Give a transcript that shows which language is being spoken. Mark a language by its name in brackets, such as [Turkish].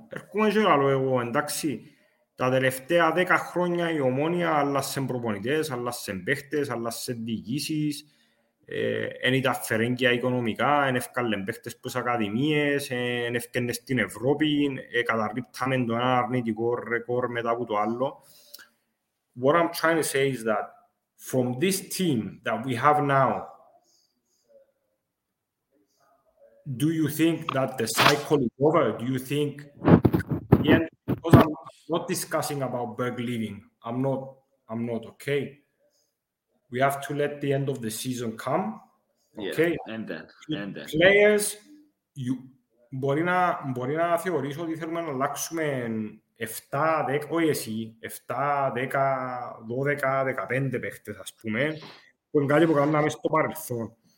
[Greek] Έρχομαι και άλλο εγώ, εντάξει. Τα τελευταία 10 χρόνια η Ομόνια άλλασε προπονητές, άλλασε παίχτες, άλλασε διοικήσεις, εν ήταν φερέγγια οικονομικά, εν έφκαλαν παίχτες προς ακαδημίες, εν έφκαινε στην Ευρώπη, καταρρύπταμε το ένα αρνητικό ρεκόρ μετά από το άλλο. [English] What I'm trying to say is that from this team that we have now, do you think that the cycle is over? Do you think, again, because I'm not discussing about Berg leaving, I'm not okay. We have to let the end of the season come. Okay. Yeah, and then. Players, you [Greek] μπορεί να θεωρήσω ότι θέλουμε να αλλάξουμε 7-10, όχι εσύ, 7-10, 12, 15 παίχτες, ας πούμε, που είναι κάτι που κάναμε στο παρελθόν.